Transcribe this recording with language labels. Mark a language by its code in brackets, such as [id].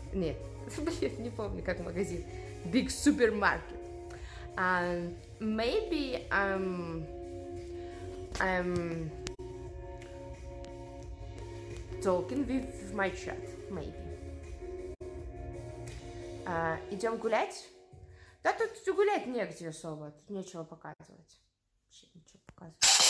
[ru] Нет, блин, не помню, как магазин. [en] Big supermarket. And maybe I'm talking with my chat, maybe. [ru] Идем гулять? Да тут гулять негде особо, тут нечего показывать. Вообще ничего показывать.